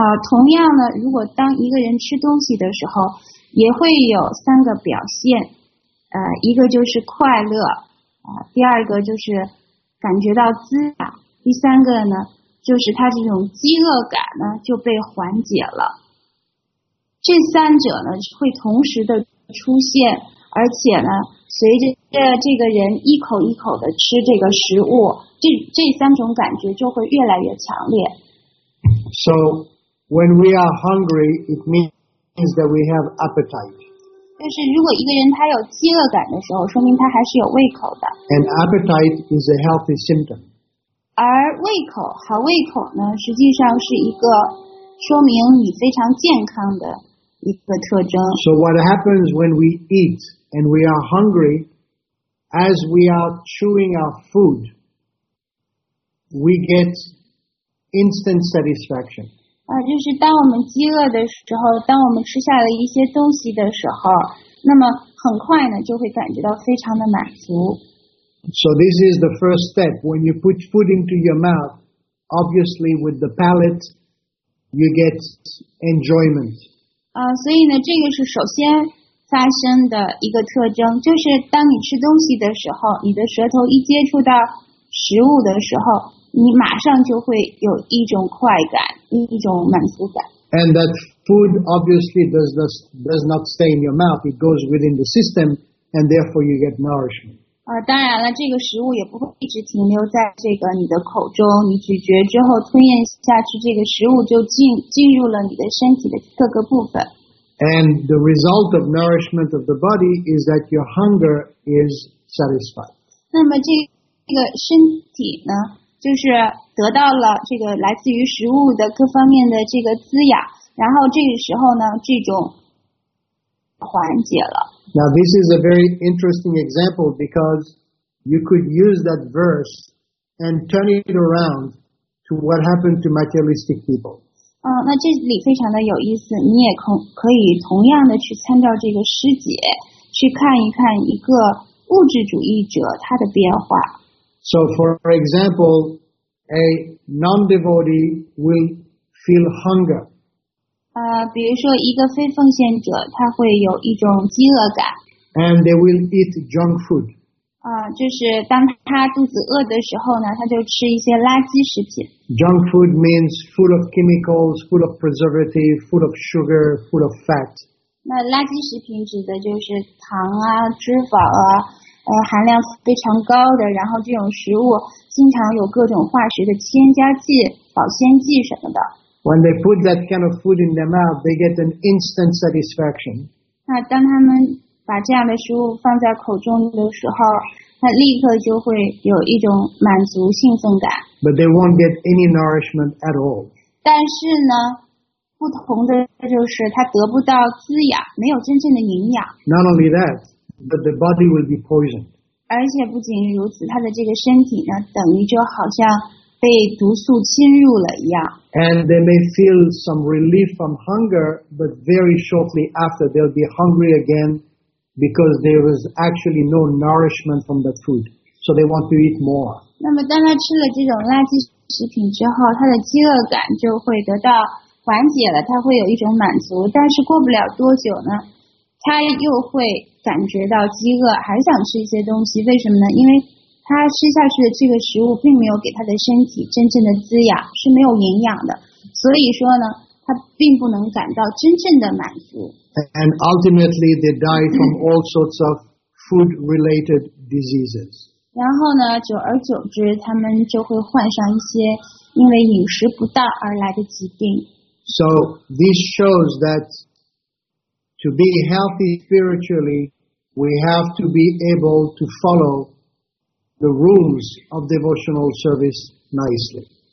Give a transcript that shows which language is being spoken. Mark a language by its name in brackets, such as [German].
[Chinese] 同样呢，如果当一个人吃东西的时候，也会有三个表现，一个就是快乐，第二个就是感觉到滋养，第三个呢，就是他这种饥饿感呢就被缓解了。这三者呢会同时的出现，而且呢，随着这个人一口一口的吃这个食物，这三种感觉就会越来越强烈。 [English] So when we are hungry, it means that we have appetite. [Chinese] 就是如果一个人他有饥饿感的时候，说明他还是有胃口的。 [English] And appetite is a healthy symptom. [Chinese] 而胃口，好胃口呢，实际上是一个说明你非常健康的一个特征。 [English] So what happens when we eat and we are hungry, as we are chewing our food, we get instant satisfaction. [Chinese] 就是当我们饥饿的时候，当我们吃下了一些东西的时候，那么很快呢，就会感觉到非常的满足。 [English] So this is the first step. When you put food into your mouth, obviously with the palate, you get enjoyment. [Chinese] 所以呢，这个是首先发生的一个特征，就是当你吃东西的时候，你的舌头一接触到食物的时候，你马上就会有一种快感，一种满足感。 [English] And that food obviously does not stay in your mouth, it goes within the system, and therefore you get nourishment. [Chinese] 当然了，这个食物也不会一直停留在这个你的口中，你咀嚼之后吞咽下去，这个食物就进入了你的身体的各个部分。 [English] And the result of nourishment of the body is that your hunger is satisfied. [Chinese] 那么这个身体呢，就是得到了这个来自于食物的各方面的这个滋养，然后这个时候呢，这种缓解了。 [English] Now this is a very interesting example because you could use that verse and turn it around to what happened to materialistic people. [Chinese] 那这里非常的有意思，你也可以同样的去参照这个师姐，去看一看一个物质主义者他的变化。 [English] So for example, a non-devotee will feel hunger. [Chinese] 比如说一个非奉献者，他会有一种饥饿感。 [English] And they will eat junk food. [Chinese] 就是当他肚子饿的时候呢，他就吃一些垃圾食品。 [English] Junk food means full of chemicals, full of preservative, full of sugar, full of fat. [Chinese] 那垃圾食品指的就是糖啊，脂肪啊。含量非常高的，然后这种食物经常有各种化学的添加剂、保鲜剂什么的。 [English] When they put that kind of food in their mouth, they get an instant satisfaction. [Chinese] 那当他们把这样的食物放在口中的时候，他立刻就会有一种满足、兴奋感。 [English] But they won't get any nourishment at all. [Chinese] 但是呢，不同的就是他得不到滋养，没有真正的营养。 [English] Not only that. But the body will be poisoned. [Chinese] 而且不仅如此，他的这个身体呢，等于就好像被毒素侵入了一样。 [English] And they may feel some relief from hunger, but very shortly after they'll be hungry again because there was actually no nourishment from that food. So they want to eat more. [Chinese] 那么当他吃了这种垃圾食品之后，他的饥饿感就会得到缓解了，他会有一种满足，但是过不了多久呢，他又会感觉到饥饿，还想吃一些东西，为什么呢？因为他吃下去的这个食物并没有给他的身体真正的滋养，是没有营养的，所以说呢，他并不能感到真正的满足。 [English] And ultimately, they die from all sorts of food-related diseases. [Chinese] 然后呢，久而久之，他们就会患上一些因为饮食不当而来的疾病。 [English] So this shows that. To be healthy spiritually, we have to be able to follow the rules of devotional service nicely.